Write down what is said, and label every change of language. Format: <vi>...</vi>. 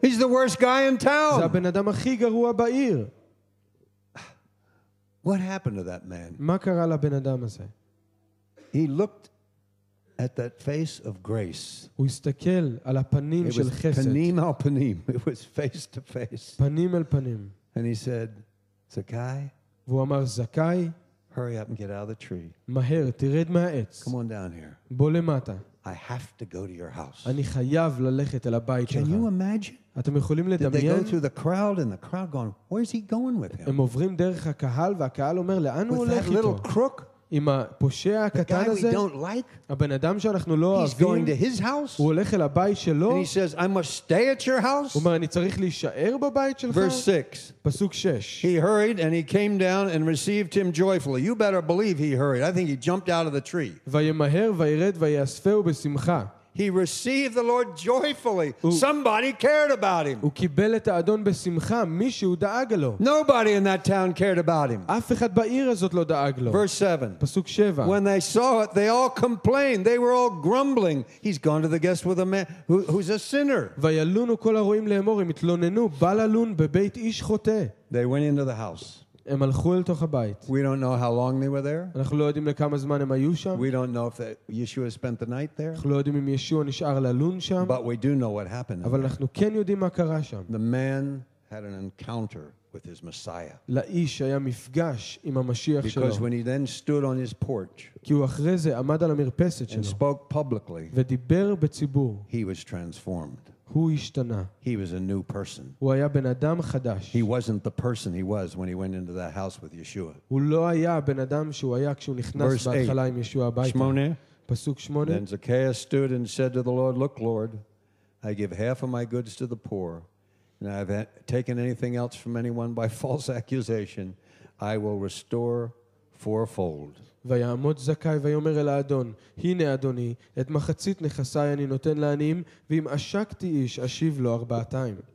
<en>He's the worst guy in town.</en> <he>זה הבן אדם הכי גרוע בעיר.</he> <en>What happened to that man?</en> <he>מה קרה לבן אדם הזה?</he> <en>He looked at that face of grace.</en> <he>הוא הסתכל על הפנים של חסד.</he> <en>It was</en> <he>פנים על פנים.</he> <en>It was face to face.</en> <he>פנים אל פנים.</he> <en>And he said, Zakai,</en> <he>והוא אמר, זכאי,</he> <en>hurry up and get out of the tree.</en> <he>מהר, תרד מהעץ.</he> <en>Come on down here.</en> <he>בוא למטה.</he> <en>I have to go to your house.</en> <he>אני חייב ללכת אל הבית שלך.</he> <en>Can you imagine?</en> <he>אתם יכולים לדמיין?</he> <en>They go through the crowd and the crowd going, where is he going with him?</en> <he>הם עוברים דרך הקהל והקהל אומר, לאן הוא הולך איתו?</he> <en>With that little crook?</en> <he>עם הפושע הקטן הזה?</he> <en>The guy we don't like?</en> <he>הבן אדם שאנחנו לא אוהבים?</he> <en>He's going to his house?</en> <he>הוא הולך אל הבית שלו?</he> <en>And he says, I must stay at your house?</en> <he>הוא אומר, אני צריך להישאר בבית שלך?</he> <en>Verse 6.</en> <he>פסוק 6.</he> <en>He hurried and he came down and received him joyfully. You better believe he hurried. I think he jumped out of the tree.</en> <he>וימהר וירד ויאספהו בשמחה.</he> <en>He received the Lord joyfully. Somebody cared about him.</en> <he>הוא קיבל את האדון בשמחה, מישהו דאג לו.</he> <en>Nobody in that town cared about him.</en> <he>אף אחד בעיר הזאת לא דאג לו.</he> <en>Verse 7.</en> <he>פסוק 7.</he> <en>When they saw it, they all complained. They were all grumbling. He's gone to the guest with a man who's a sinner.</en> <he>וילונו כל הרועים לאמור, הם התלוננו, בא ללון בבית איש חוטא.</he> <en>They went into the house.</en> <he>הם הלכו אל תוך הבית.</he> <en>We don't know how long they were there.</en> <he>אנחנו לא יודעים לכמה זמן הם היו שם.</he> <en>We don't know if Yeshua spent the night there.</en> <he>אנחנו לא יודעים אם ישוע נשאר ללון שם.</he> <en>But we do know what happened.</en> <he>אבל אנחנו כן יודעים מה קרה שם.</he> <en>The man had an encounter with his Messiah.</en> <he>לאיש היה מפגש עם המשיח שלו.</he> <en>Because when he then stood on his porch.</en> <he>כי הוא אחרי זה עמד על המרפסת שלו.</he> <en>And spoke publicly.</en> <he>ודיבר בציבור.</he> <en>He was transformed.</en> <he>הוא השתנה.</he> <en>He was a new person.</en> <he>הוא היה בן אדם חדש.</he> <en>He wasn't the person he was when he went into that house with Yeshua.</en> <he>הוא לא היה בן אדם שהוא היה כשהוא נכנס בהתחלה עם ישוע הביתה. פסוק 8.</he> <en>Then Zacchaeus stood and said to the Lord, Look, Lord, I give half of my goods to the poor, and I have taken anything else from anyone by false accusation, I will restore fourfold.</en> <he>ויעמוד זכאי ויאמר אל האדון, הנה אדוני, את מחצית נכסיי אני נותן לעניים, ואם עשקתי איש, אשיב לו ארבעתיים.</he>